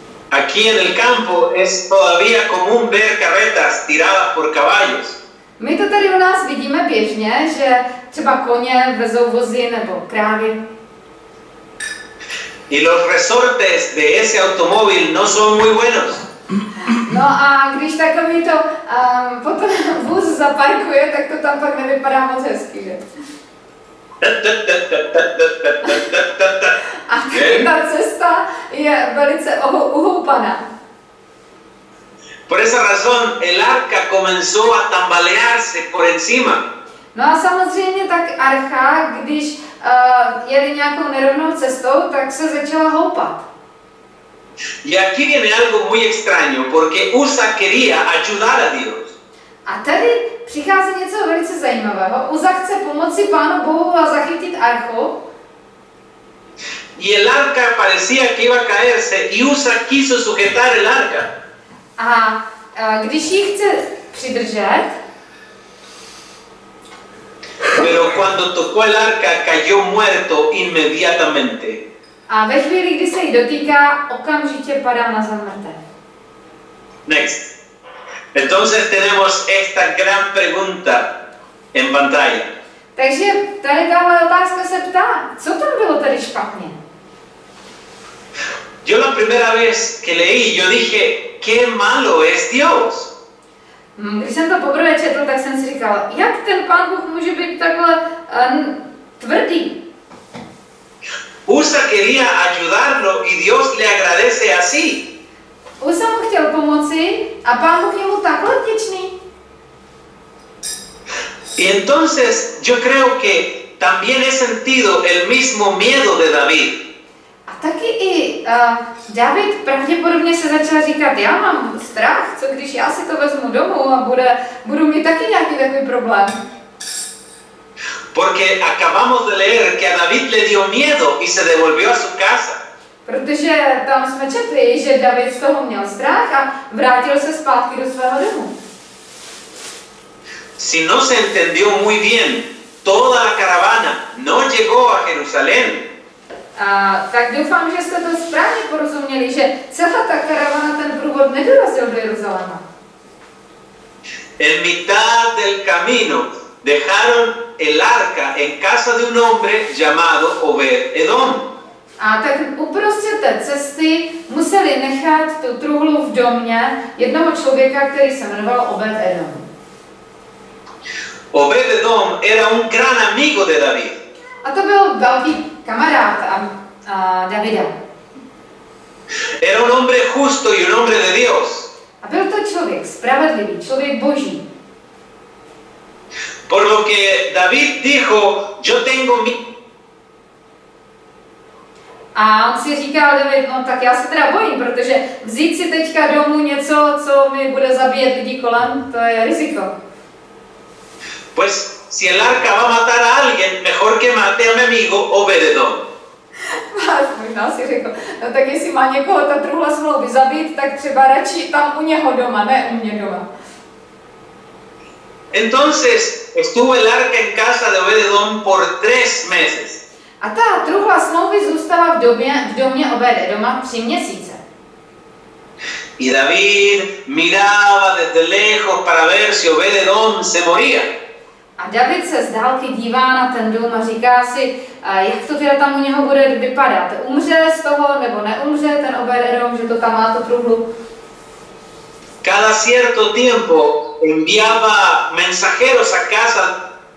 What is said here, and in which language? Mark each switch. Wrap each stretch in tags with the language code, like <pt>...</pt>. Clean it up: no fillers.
<es>Aquí en el campo es todavía común ver carretas tiradas por caballos.</es> <cs>My to tady u nás vidíme běžně, že třeba koně vezou vozy nebo krávy.</cs> <es>Y los resortes de ese automóvil no son muy buenos.</es> <cs>No a když takový to potom vůz zaparkuje, tak to tam pak nevypadá moc hezky, že? A ta cesta je velice uhoupaná.</cs> <es>Por esa razón el arca comenzó a tambalearse por encima.</es> <cs>No a samozřejmě tak archa, když jeli nějakou nerovnou cestou, tak se začala houpat.</cs> <es>Y aquí viene algo muy extraño, porque Uza quería ayudar a Dios.</es> <cs>A tady přichází něco velice zajímavého. Uza chce pomoci Pánu Bohu a zachytit archu.</cs> <es>Y el arca parecía que iba a caerse y Uza quiso sujetar el arca.</es> <cs>A když ji chce přidržet,</cs> <es>pero cuando tocó el arca cayó muerto inmediatamente.</es> <cs>A ve chvíli, kdy se jí dotýká, okamžitě padá na zem mrtev.</cs> <en>Next.</en> <es>Entonces tenemos esta gran pregunta en pantalla.</es> <cs>Takže tady tahle otázka se ptá, co tam bylo tady špatně?</cs> <es>Yo la primera vez que leí, yo dije, qué malo es Dios.</es> <cs>Když jsem to poprvé četl, tak jsem si říkal, jak ten Pán Bůh může být takhle tvrdý?</cs> <es>Uza quería ayudarlo y Dios le agradece así.</es> <cs>Uza mu chtěl pomoci a Pán Bůh je mu takhle vděčný.</cs> <es>Y entonces yo creo que también he sentido el mismo miedo de David.</es> <cs>Taky i David pravděpodobně se začal říkat, já mám strach, co když já si to vezmu domů a budu mít taky nějaký takový problém.</cs> <es>Porque acabamos de leer que a David le dio miedo y se devolvió a su casa.</es> <cs>Protože tam jsme četli, že David z toho měl strach a vrátil se zpátky do svého domu.</cs> <es>Si no se entendió muy bien, toda la caravana no llegó a Jerusalén.</es> <cs>Tak doufám, že jste to správně porozuměli, že celá ta karavana ten průvod nedorazil do Jeruzaléma.</cs> <es>En mitad del camino dejaron el arca en casa de un hombre llamado Obed Edom.</es> <cs>A tak uprostřed té cesty museli nechat tu truhlu v domě jednoho člověka, který se jmenoval Obed Edom.</cs> <es>Obededom era un gran amigo de David.</es> <cs>A to byl velký kamarád Davida.</cs> <es>Era un hombre justo y un hombre de Dios.</es> <cs>A byl to člověk spravedlivý, člověk Boží.</cs> <es>Por lo que David dijo, yo tengo mi...</es> <cs>A on si říkal, David, no tak já se teda bojím, protože vzít si teďka domů něco, co mi bude zabíjet lidi kolem, to je riziko.</cs> <es>Pues, si el arca va a matar a alguien, mejor que mate a mi amigo Obededom.</es> <cs>Možná si řekl, no tak jestli má někoho ta truhla smlouvy zabít, tak třeba radši tam u něho doma, ne u mě doma.</cs> <es>Entonces, estuvo el arca en casa de Obededom por 3 meses.</es> <cs>A ta truhla smlouvy zůstala v domě Obededoma 3 měsíce.</cs> <es>Y David miraba desde lejos para ver si Obededom se moría.</es> <cs>A David se z dálky dívá na ten dům a říká si, jak to teda tam u něho bude vypadat. Umře z toho nebo neumře ten Obededom, že to tam má to truhlu?</cs> <es>Cada cierto tiempo enviaba mensajeros a casa.</es>